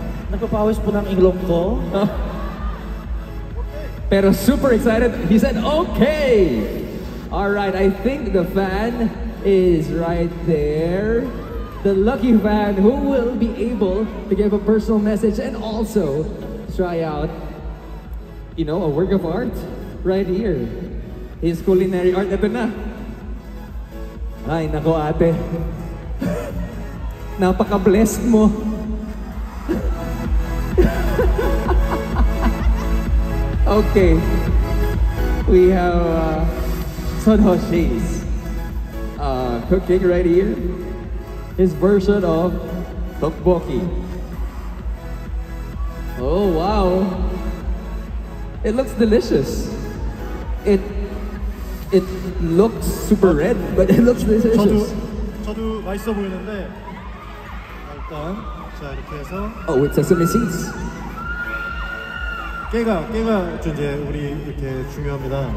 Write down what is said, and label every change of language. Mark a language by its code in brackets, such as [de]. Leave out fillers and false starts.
[tl] Nagpapawis po ng ilong ko. [en] Pero super excited. He said, okay. Alright, I think the fan is right there. The lucky fan who will be able to give a personal message and also try out you know, a work of art right here. His culinary art, [tl] ito na. Ay, nako ate. Napaka-blessed mo. [en] Okay. We have Seonho Shades. Cooking right here. His version of Tteokbokki. Oh, wow. It looks delicious. It looks super red, but it looks delicious. [ko] 저도 맛있어 보이는데 일단 자 이렇게 해서 [en] Oh, it's sesame seeds. [ko] 깨가 이제 우리 이렇게 중요합니다.